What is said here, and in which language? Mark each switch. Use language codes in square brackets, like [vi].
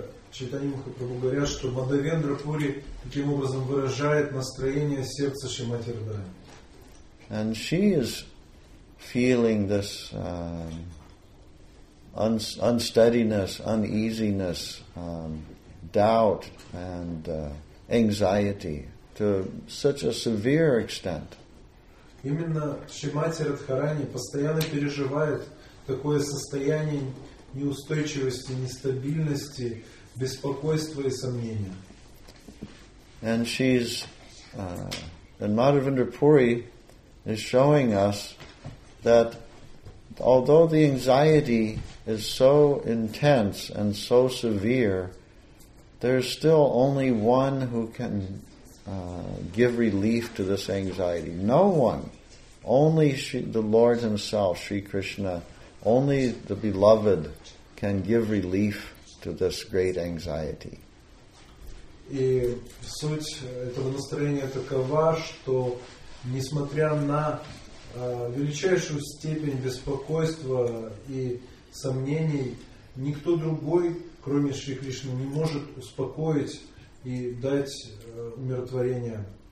[ru] Читание Махапрабху говорят, что Мадхавендра Пури таким образом выражает настроение сердца Шримати Радхарани. [en] And she is feeling this unsteadiness, uneasiness, doubt and anxiety to such a severe extent. [ru] Именно Шримати Радхарани постоянно переживает такое состояние неустойчивости, нестабильности, беспокойство и сомнения. [en] And she's and Madhavendra Puri is showing us that although the anxiety is so intense and so severe, there's still only one who can give relief to this anxiety. No one. Only the Lord Himself, Sri Krishna, only the Beloved can give relief to this great anxiety. [ru] И суть этого настроения такова, что несмотря на величайшую степень беспокойства и сомнений, никто другой, кроме Шри Кришны, не может успокоить и дать умиротворение.